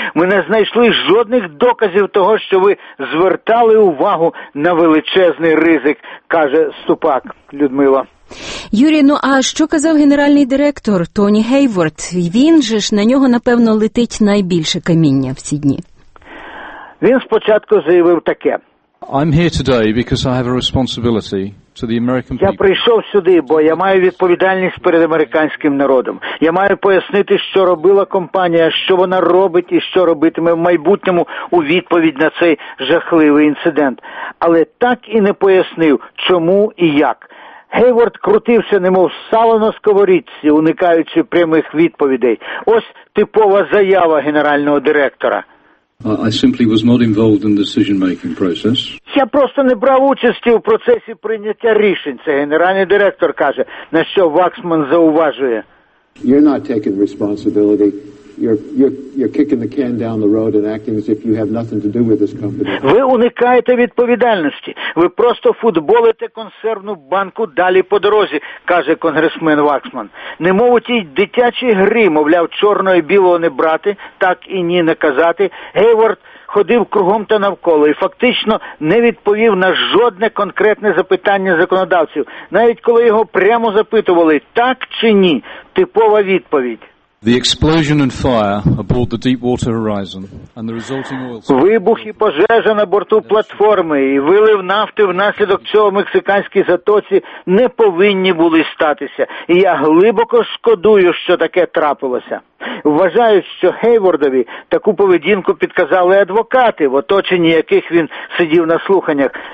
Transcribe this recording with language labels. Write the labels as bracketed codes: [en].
[uk] Ми не знайшли жодних доказів того, що ви звертали увагу на величезний ризик, каже Ступак Людмила. Юрій, ну а що казав генеральний директор Тоні Гейворд? Він же ж, на нього, напевно, летить найбільше каміння в ці дні. Він спочатку заявив таке. [en] I'm here today because I have a responsibility to the American people. [uk] Я прийшов сюди, бо я маю відповідальність перед американським народом. Я маю пояснити, що робила компанія, що вона робить і що робитиме в майбутньому у відповідь на цей жахливий інцидент. Але так і не пояснив, чому і як. Гейворд крутився, немов сало на сковорідці, уникаючи прямих відповідей. Ось типова заява генерального директора. [en] I simply was not involved in the decision-making process. [uk] Я просто не брав участі у процесі прийняття рішень, це генеральний директор каже, на що Ваксман зауважує. [en] You're not taking responsibility. You're kicking the can down the road and acting as if you have nothing to do with this company. [uk] Ви уникаєте відповідальності. Ви просто футболите консервну банку далі по дорозі, каже конгресмен Ваксман. Не мов у тій дитячій грі, мовляв, чорного і білого не брати, так і ні не казати. Гейворд ходив кругом та навколо і фактично не відповів на жодне конкретне запитання законодавців. Навіть коли його прямо запитували, так чи ні, типова відповідь. [en] The explosion and fire aboard the Deepwater Horizon and the resulting oil. [uk] Вибух і пожежа на борту платформи і вилив нафти внаслідок цього в Мексиканській затоці не повинні були статися. І я глибоко шкодую, що таке трапилося. Вважаю, що Гейвордові таку поведінку підказали адвокати, в оточенні яких він сидів на слуханнях.